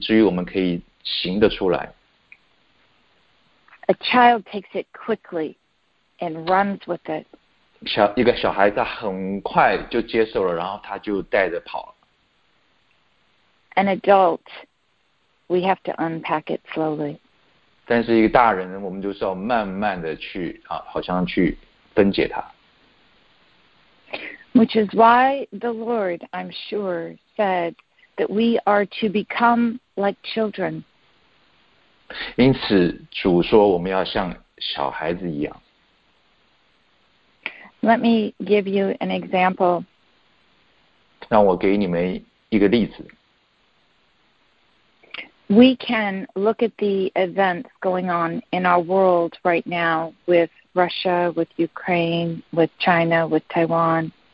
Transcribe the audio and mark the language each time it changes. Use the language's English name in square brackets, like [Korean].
[Chinese] 它会帮助我们从圣经的话语里面的知识能够进到我们的心里面，以至于我们可以行得出来。 [English] A child takes it quickly and runs with it. [Chinese] 一个小孩子很快就接受了，然后他就带着跑了。 [English] An adult, we have to unpack it slowly. [Chinese] 但是一个大人，我们就是要慢慢的去，好像去分解它。 [English] Which is why the Lord, I'm sure, said that we are to become like children. [Chinese] 因此，主说我们要像小孩子一样。 [English] Let me give you an example. [Chinese] 让我给你们一个例子。 [English] We can look at the events going on in our world right now with Russia, with Ukraine, with China, with Taiwan.